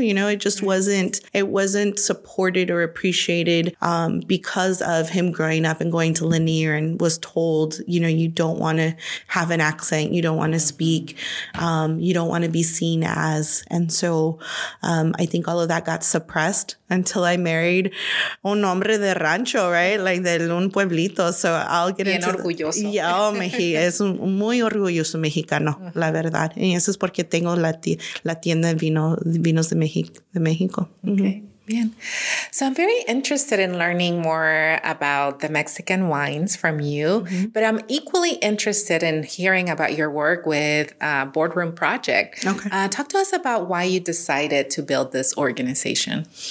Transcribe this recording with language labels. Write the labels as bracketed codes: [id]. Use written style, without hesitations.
[en] You know, it wasn't supported or appreciated because of him growing up and going to Lanier and was told, you know, you don't want to have an accent. You don't want to speak. You don't want to be seen as. And so I think all of that got suppressed until I married [es] un hombre de rancho, [en] right? Like [es] de un pueblito. [en] So I'll get [es] bien [en] into [es] orgulloso. [en] Yeah, oh, Mexico. [es] Es un muy orgulloso mexicano, uh-huh. La verdad. Y eso es porque tengo la tienda de vinos de México. [en] Okay, mm-hmm. Bien. So I'm very interested in learning more about the Mexican wines from you, mm-hmm. but I'm equally interested in hearing about your work with Boardroom Project. Okay. Talk to us about why you decided to build this organization.